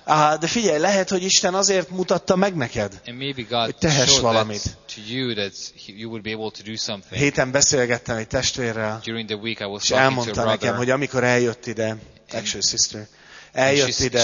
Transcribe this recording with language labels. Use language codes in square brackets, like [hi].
[hu] Ah, de figyelj, lehet, hogy Isten azért mutatta meg neked, [en] and maybe God [hu] hogy tehess valamit. [en] To you that you would be able to do something. [hu] Héten beszélgettem egy testvérrel. [en] During the week I was talking to a brother. [hu] És elmondta nekem, hogy amikor eljött ide, [en] actually sister, [hu] eljött ide.